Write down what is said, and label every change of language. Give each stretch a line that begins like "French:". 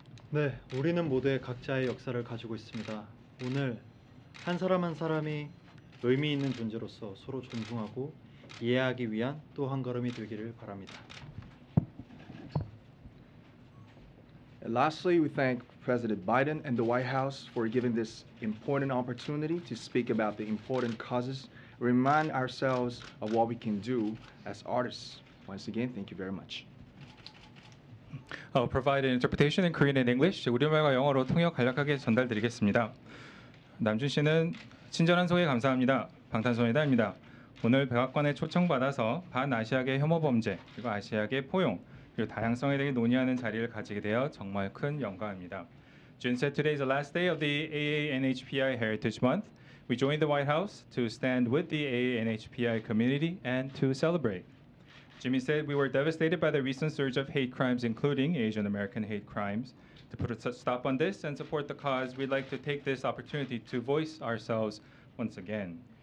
Korean: 네, 우리는 모두 각자의 역사를 가지고 있습니다. 오늘 한 사람 한 사람이 의미 있는 존재로서 서로 존중하고 이해하기 위한 또 한 걸음이 되기를 바랍니다.
English: And lastly, we thank President Biden and the White House for giving this important opportunity to speak about the important causes, remind ourselves of what we can do as artists. Once again, thank you very much. I'll provide an interpretation in Korean and English.
Korean: 우리말과 영어로 통역 간략하게 전달드리겠습니다. 남준 씨는 친절한 소개 감사합니다. 방탄소년단입니다. 오늘 백악관에 초청받아서 반아시아계 혐오 범죄, 그리고 아시아계 포용, 그리고 다양성에 대해 논의하는 자리를 가지게 되어 정말 큰 영광입니다.
English: June said today is the last day of the AANHPI Heritage Month. We joined the White House to stand with the AANHPI community and to celebrate. Jimmy said we were devastated by the recent surge of hate crimes, including Asian American hate crimes. To put a stop on this and support the cause, we'd like to take this opportunity to voice ourselves once again.